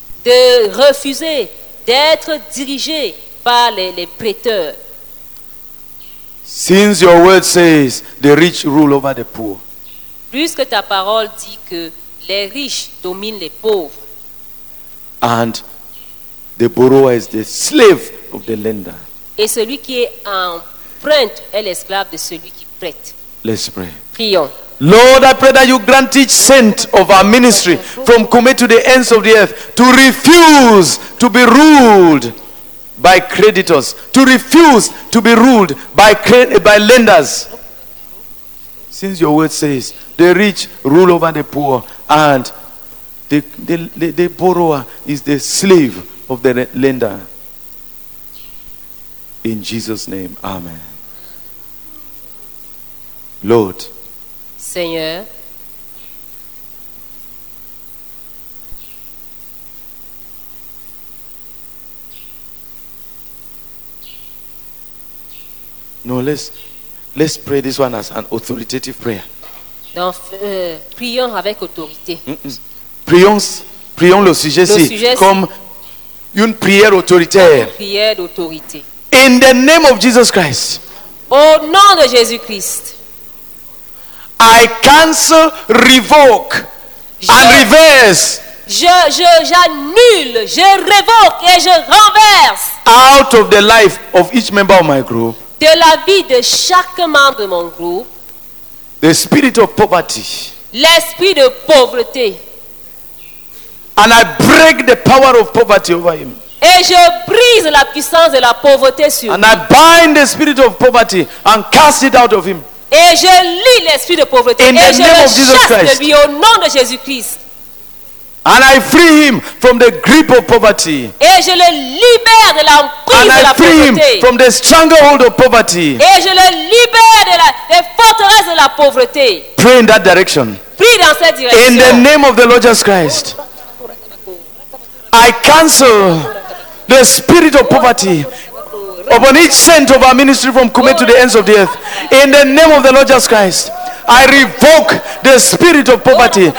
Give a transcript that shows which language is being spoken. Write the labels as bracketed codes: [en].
[fr] De refuser d'être dirigé par les prêteurs. [en] Since your word says the rich rule over the poor. [fr] Puisque ta parole dit que les riches dominent les pauvres. [en] And the borrower is the slave of the lender. [fr] Et celui qui est en prête est l'esclave de celui qui prête. [en] Let's pray. [fr] Prions. [en] Lord, I pray that you grant each saint of our ministry from Kume to the ends of the earth to refuse to be ruled by creditors, to refuse to be ruled by lenders. Since your word says the rich rule over the poor and the borrower is the slave of the lender. In Jesus' name, amen. Lord. [fr] Seigneur. [en] No, let's pray this one as an authoritative prayer. [fr] Donc, prions avec autorité. Prions le sujet-ci comme une prière autoritaire. Une prière d'autorité. [en] In the name of Jesus Christ. [fr] Au nom de Jésus Christ. [en] I cancel, revoke, and reverse. [fr] J'annule, je révoque et je renverse. [en] Out of the life of each member of my group. [fr] De la vie de chaque membre de mon groupe. [en] The spirit of poverty. [fr] L'esprit de pauvreté. [en] And I break the power of poverty over him. [fr] Et je brise la puissance de la pauvreté sur [en] and [fr] lui. [en] I bind the spirit of poverty and cast it out of him. [fr] Et je lis l'esprit de pauvreté [en] in [fr] et [en] the [fr] je [en] name [fr] le [en] of Jesus Christ. [fr] Chasse de lui au nom de Jésus Christ. [en] And I free him from the grip of poverty. [fr] Et je le libère de l'emprise de la pauvreté. [en] And I free him from the stranglehold of poverty. [fr] Et je le libère de la des forteresses de la pauvreté. [en] Pray in that direction. [fr] Prie dans cette direction. [en] In the name of the Lord Jesus Christ. I cancel the spirit of poverty upon each cent of our ministry from Kume to the ends of the earth. In the name of the Lord Jesus Christ, I revoke the spirit of poverty.